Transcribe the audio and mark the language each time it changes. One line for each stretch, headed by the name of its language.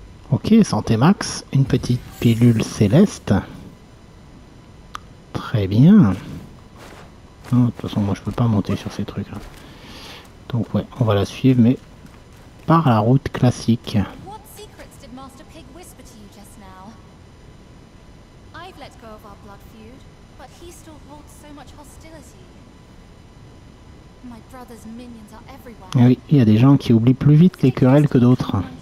French: Ok, santé max, une petite pilule céleste. Très bien. De toute façon, moi, je peux pas monter sur ces trucs-là. Donc, ouais, on va la suivre, mais par la route classique.
English: What secrets did Master Pig whisper to you just now? I've let go of our blood feud, but he still holds so much hostility. My brother's minions are everywhere.
French: Oui, il y a des gens qui oublient plus vite les querelles que d'autres.